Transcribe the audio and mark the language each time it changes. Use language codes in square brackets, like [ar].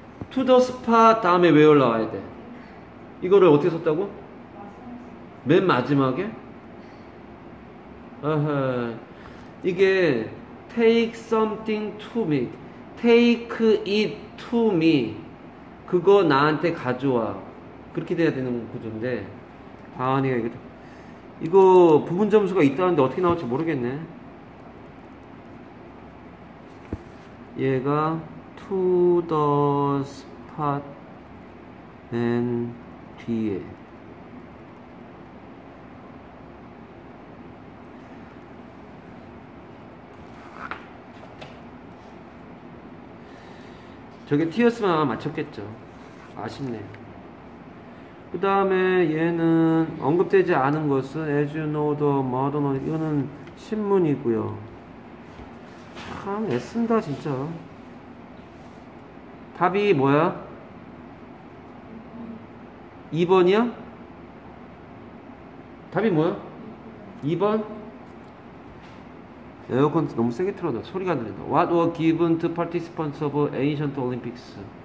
[en] To the spot [ko] 다음에 [en] where [ko] 나와야 돼. 이거를 어떻게 썼다고? 맨 마지막에? 어허. 이게 [en] take something to me. take it to me. [ko] 그거 나한테 가져와. 그렇게 돼야 되는 구조인데. 방언이가 이거. 이거 부분 점수가 있다는데 어떻게 나올지 모르겠네. 얘가 [en] to the spot [ko] and 뒤에 저게 T였으면 아마 맞췄겠죠. 아쉽네. 그 다음에 얘는 언급되지 않은 것은 [en] as you know the modern [ko] 이거는 신문이고요. 참 애쓴다 진짜. 답이 뭐야? 2번이야? 답이 뭐야? 2번? 에어컨 너무 세게 틀어져. 소리가 안 들린다. [en] What were given to participants of ancient Olympics?